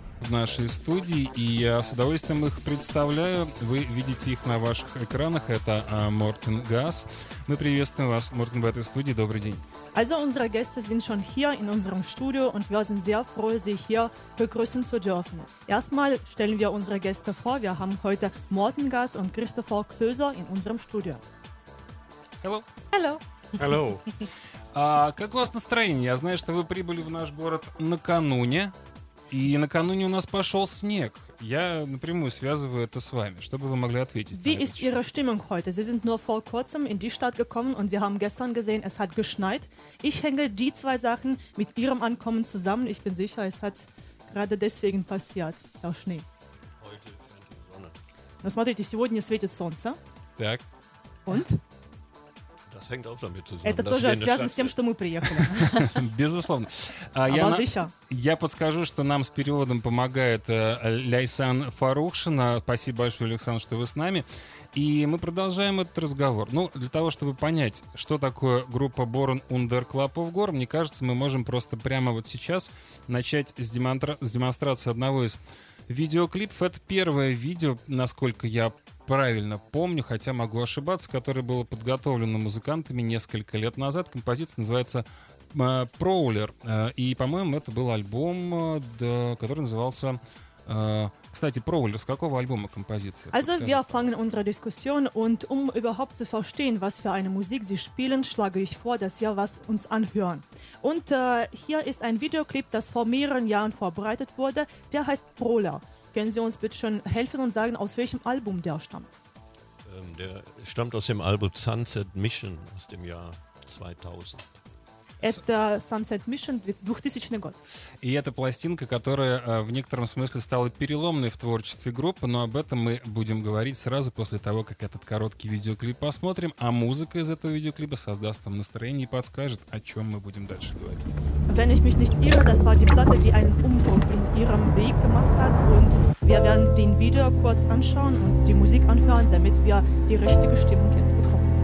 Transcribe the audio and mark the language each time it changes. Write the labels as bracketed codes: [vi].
[ru] нашей студии, и я с удовольствием их представляю. Вы видите их на ваших экранах. Это Мортен Гасс. Мы приветствуем вас, Мортен, в этой студии. Добрый день. [de] Also unsere Gäste sind schon hier in unserem Studio und wir sind sehr froh, sie hier begrüßen zu dürfen. Erstmal stellen wir unsere Gäste vor. Wir haben heute Мортен Гасс und Christopher Klöser in unserem Studio. [en] Hello. Hello. Hello. [ru] А как у вас настроение? Я знаю, что вы прибыли в наш город накануне, и накануне у нас пошел снег. Я напрямую связываю это с вами. Что бы вы могли ответить? [de] Wie ist Ihre Stimmung heute? Sie sind nur vor kurzem in die Stadt gekommen und Sie haben gestern gesehen, es hat geschneit. Ich hänge die zwei Sachen mit Ihrem Ankommen zusammen. Ich bin sicher, es hat gerade deswegen passiert, der Schnee. Heute scheint die Sonne. [ru] Ну, смотрите, сегодня светит солнце. Так. [de] Und? Das hängt auch damit zusammen. [ru] Это тоже связано с тем, что мы приехали. Безусловно. Я подскажу, что нам с переводом помогает Ляйсан Фарухшина. Спасибо большое, Александр, что вы с нами. И мы продолжаем этот разговор. Ну, для того, чтобы понять, что такое группа Born Under Club of Gore, мне кажется, мы можем просто прямо вот сейчас начать с демонстрации одного из видеоклипов. Это первое видео, насколько я правильно помню, хотя могу ошибаться, которое было подготовлено музыкантами несколько лет назад. Композиция называется «Prowler». И, по-моему, это был альбом, который назывался... Кстати, «Prowler», с какого альбома композиция? [de] Also, wir fangen unsere Diskussion und um überhaupt zu verstehen, was für eine Musik sie spielen, schlage ich vor, dass wir was uns anhören. Und hier ist ein Videoclip, das vor mehreren Jahren vorbereitet wurde. Der heißt «Prowler». Können Sie uns bitte schon helfen und sagen, aus welchem Album der stammt? Der stammt aus dem Album Sunset Mission aus dem Jahr 2000. [ru] Это Sunset Mission 2000 год. И это пластинка, которая в некотором смысле стала переломной в творчестве группы, но об этом мы будем говорить сразу после того, как этот короткий видеоклип посмотрим, а музыка из этого видеоклипа создаст вам настроение и подскажет, о чем мы будем дальше говорить. [de] Wenn ich mich nicht irre, das war die Platte, die einen Umbruch in ihrem Weg gemacht hat und wir werden den Video kurz anschauen und die Musik anhören, damit wir die richtige Stimmung jetzt bekommen.